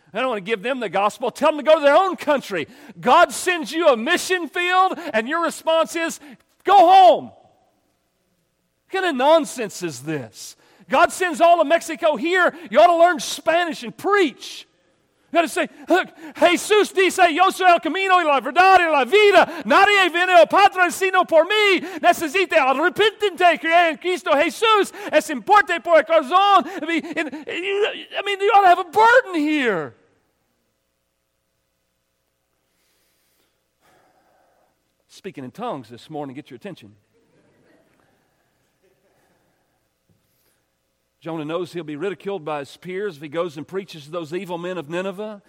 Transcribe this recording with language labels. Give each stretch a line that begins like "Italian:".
English: I don't want to give them the gospel. Tell them to go to their own country. God sends you a mission field, and your response is, go home. What kind of nonsense is this? God sends all of Mexico here. You ought to learn Spanish and preach. You ought to say, look,
Spanish: Jesus dice, yo soy el camino y la verdad y la vida. Nadie viene al Padre sino por mí. Necesita arrepentirte, creer en Cristo Jesús. Es importante por el corazón.
English: I mean, you ought to have a burden here. Speaking in tongues this morning, get your attention. Jonah knows he'll be ridiculed by his peers if he goes and preaches to those evil men of Nineveh.